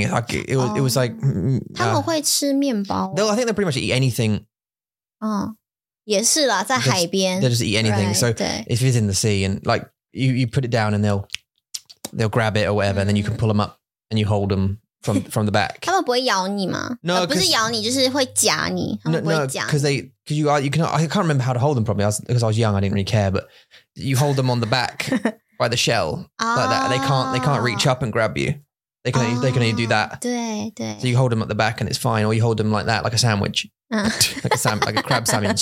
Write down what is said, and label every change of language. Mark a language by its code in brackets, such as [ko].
[en] It was like, I think they pretty much eat anything. They just eat anything. Right, so if it's in the sea and like you put it down and they'll grab it or whatever, and then you can pull them up and you hold them. From the back. No, [zh] 不是咬你, 就是会夹你, [en] no, because Because I can't remember how to hold them properly. Because I was young, I didn't really care. But you hold them on the back by the shell like that. They can't reach up and grab you. They can only do that. [zh] 对对. [en] So you hold them at the back and it's fine. Or you hold them like that, like a sandwich. like a crab sandwich.